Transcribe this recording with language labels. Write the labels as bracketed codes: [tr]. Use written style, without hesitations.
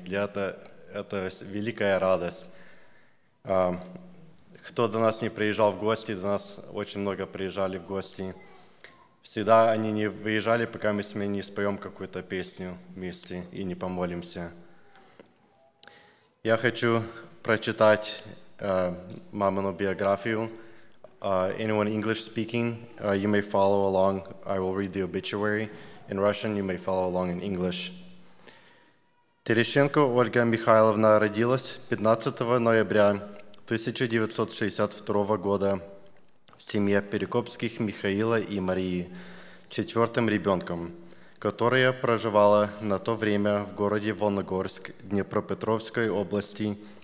[ru] Для это великая радость. Кто до нас не приезжал в гости, до нас очень много приезжали в гости. Всегда они не выезжали, пока мы с ними не споем какую-то песню вместе и не помолимся. Я хочу прочитать мамину биографию. [en] Anyone English speaking, you may follow along. I will read the obituary in Russian. You may follow along in English. [ru] Терещенко Ольга Михайловна родилась 15 ноября 1962 года в семье Перекопских Михаила и Марии, четвертым ребенком, которая проживала на то время в городе Волногорск Днепропетровской области.